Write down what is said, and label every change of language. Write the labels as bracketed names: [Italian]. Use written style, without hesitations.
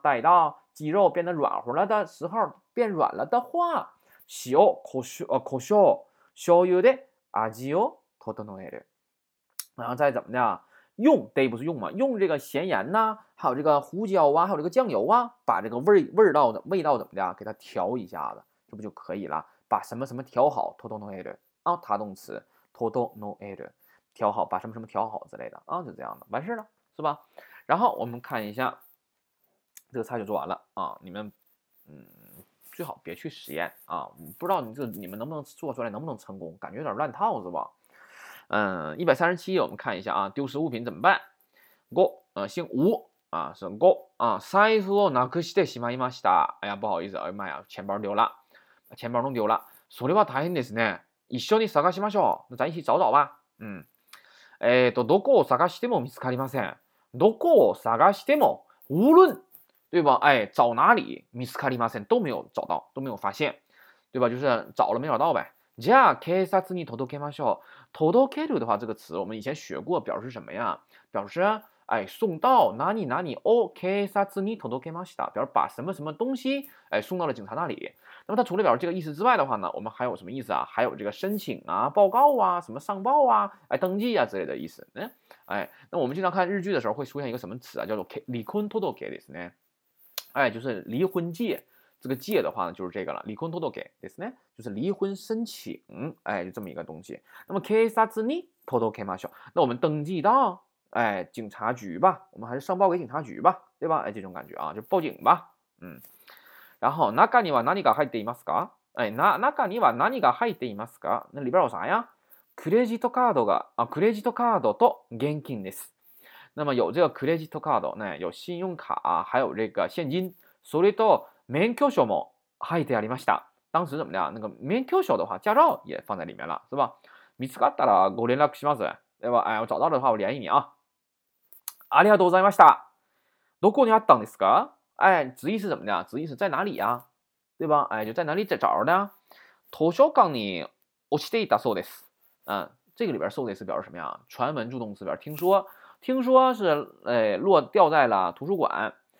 [Chinese] 待到鸡肉变得软和了的时候，变软了的话， [Japanese] 胡椒、醤油で味を整える。 [Chinese] 然后再怎么的，用得不是用嘛？用这个咸盐呐、啊，还有这个胡椒啊，还有这个酱油啊，把这个味道怎么的，给它调一下子，这不就可以了？把什么什么调好，整える啊，它动词。トトノエル，调好，把什么什么调好之类的啊，就这样的，完事了，是吧？然后我们看一下，这个菜就做完了啊。你们，最好别去实验啊。不知道你们能不能做出来，能不能成功？感觉有点乱套，是吧？137，我们看一下啊，丢失物品怎么办？姓吴啊，是姑啊。 [Japanese] 財布をなくしてしまいました。 [Chinese] 哎呀，不好意思，哎呀妈呀，钱包丢了，把钱包弄丢了。 [Japanese] それは大変ですね。一緒に探しましょう。 [Chinese] 咱一起找找吧。 [Japanese] どこを探しても見つかりません。どこを探しても、无论，对吧？ [Chinese] 哎，找哪里， [Japanese] 見つかりません， [Chinese] 都没有找到，都没有发现，对吧？就是找了没找到呗。 [Japanese] じゃあ警察に届けましょう。 [Chinese] 届ける的话，这个词我们以前学过，表示什么呀？表示哎，送到哪里哪里 [Japanese] を警察に届けました。 [Chinese] 表示把什么什么东西哎送到了警察那里。那么它除了表示这个意思之外的话呢，我们还有什么意思啊？还有这个申请啊、报告啊、什么上报啊、哎登记啊之类的意思。哎，那我们经常看日剧的时候会出现一个什么词啊，叫做"离婚届ですね"，哎，就是离婚届。这个"届"的话呢，就是这个了，"离婚届ですね"，就是离婚申请，哎，就这么一个东西。那么 [Japanese] "警察に届けましょう"， [Chinese] 那我们登记到哎警察局吧，我们还是上报给警察局吧，对吧？哎，这种感觉啊，就报警吧，然后 [Japanese] 中には何が入っていますか？哎，中には何が入っていますか？ [Chinese] 那里边有啥呀？ [Japanese] クレジットカードが、クレジットカードと現金です。 [Chinese] 那么有这个クレジットカード，那有信用卡，还有这个现金。 [Japanese] それと免許証もはい、でありました。 [Chinese] 当時怎么样？那个免許証的话，驾照也放在里面了，是吧？ [Japanese] 見つかったらご連絡します。では、 [Chinese] 我找到的话、我联系你啊。 [Japanese] ありがとうございました。どこにあったんですか？ [Chinese] 直译是怎么样？直译是在哪里呀？对吧？就在哪里找着呢？ [Japanese] 図書館に落ちていたそうです。 [Chinese] 这个里边 so this 表示什么呀？传闻助动词表示听说，听说是掉在了图书馆。